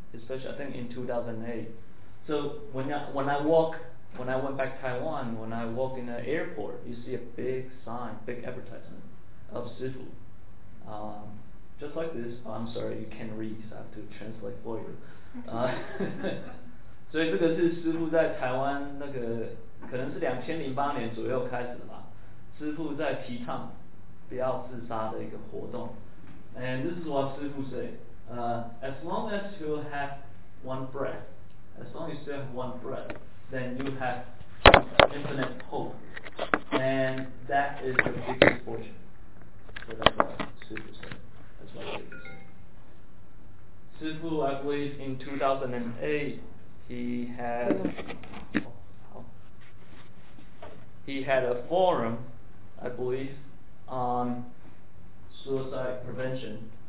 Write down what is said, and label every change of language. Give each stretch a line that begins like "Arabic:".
English: Especially, I think, in 2008. So when I went back to Taiwan, when I walked in an airport, you see a big sign, big advertisement of Sifu. Just like this. Oh, I'm sorry, you can't read, so I have to translate for you.
Chinese: 所以这个是Sifu在台湾那个，可能是2008年左右开始的吧。师父在提倡不要自杀的一个活动。
English: And this is what 师父 say, as long as you have one breath, as long as you have one breath, then you have infinite hope, and that is the biggest fortune. So that's what 师父 say. 师父 I believe in 2008 he had a forum, I believe, on suicide prevention.